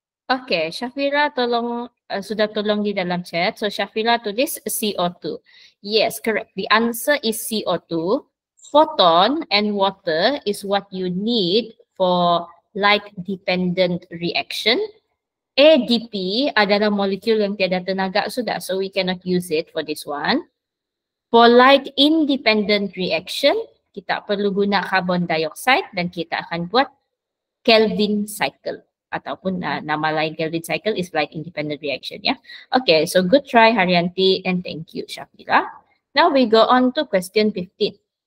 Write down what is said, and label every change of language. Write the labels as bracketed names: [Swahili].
[Malay] Okay, Shafira tolong, sudah tolong di dalam chat. [English] So Shafira [Malay] tulis [English] CO2. Yes, correct. The answer is CO2. Photon and water is what you need for light dependent reaction. [Malay] ADP adalah molekul yang tiada tenaga sudah. [English] So we cannot use it for this one. For light independent reaction, [Malay] kita perlu guna carbon dioxide dan kita akan buat Kelvin cycle. Ataupun nama lain [English] Kelvin cycle is light independent reaction, ya. Okay, so good try Haryanti and thank you Shafira. Now we go on to question 15.